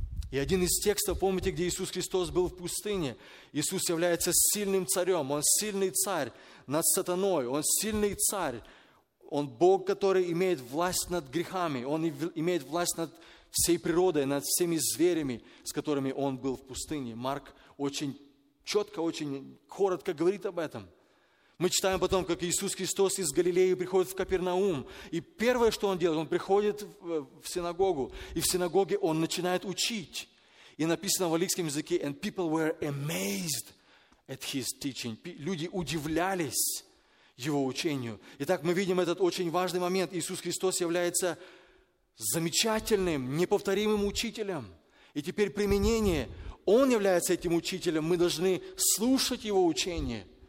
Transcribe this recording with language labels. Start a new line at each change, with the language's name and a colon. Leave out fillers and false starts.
Russian: И один из текстов, помните, где Иисус Христос был в пустыне? Иисус является сильным царем, Он сильный царь над сатаной, Он сильный царь, Он Бог, который имеет власть над грехами, Он имеет власть над всей природой, над всеми зверями, с которыми Он был в пустыне. Марк очень четко, очень коротко говорит об этом. Мы читаем потом, как Иисус Христос из Галилеи приходит в Капернаум. И первое, что Он делает, Он приходит в синагогу. И в синагоге Он начинает учить. И написано в английском языке,
English: «And people were amazed at His teaching».
Russian: Люди удивлялись Его учению. Итак, мы видим этот очень важный момент. Иисус Христос является замечательным, неповторимым учителем. И теперь применение. Он является этим учителем. Мы должны слушать Его учение.